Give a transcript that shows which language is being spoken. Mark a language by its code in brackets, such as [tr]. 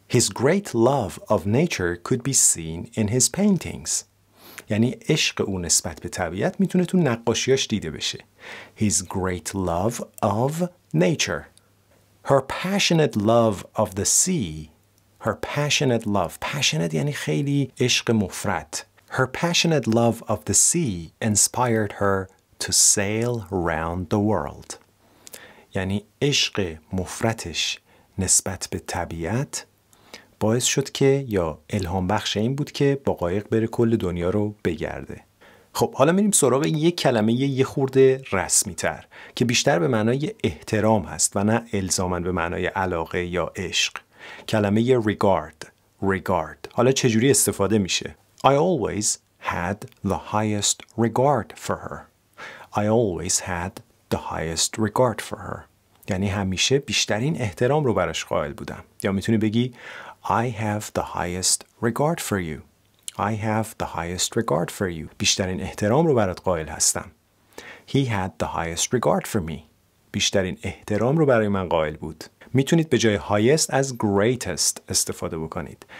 [en] His great love of nature could be seen in his paintings. [fa] یعنی عشق او نسبت به طبیعت میتونه تو نقاشیاش دیده بشه. [en] His great love of nature. Her passionate love of the sea. Her passionate love. [fa] Passionate یعنی خیلی عشق مفرط. [en] Her passionate love of the sea inspired her to sail round the world. [fa] یعنی عشق مفرطش نسبت به طبیعت باعث شد که، یا الهام بخش این بود که با قایق بره کل دنیا رو بگرده. خب حالا میریم سراغ یک کلمه یه خورده رسمی تر که بیشتر به معنای احترام هست و نه الزاماً به معنای علاقه یا عشق. [en] کلمه regard. Regard. [fa] حالا چجوری استفاده میشه؟ [en] I always had the highest regard for her. I always had the highest regard for her. [fa] یعنی همیشه بیشترین احترام رو براش قائل بودم. یا میتونی بگی [en] I have the highest regard for you. I have the highest regard for you. [fa] بیشترین احترام رو برات قائل هستم. [en] He had the highest regard for me. [fa] بیشترین احترام رو برای من قائل بود. میتونید به جای highest از greatest استفاده بکنید.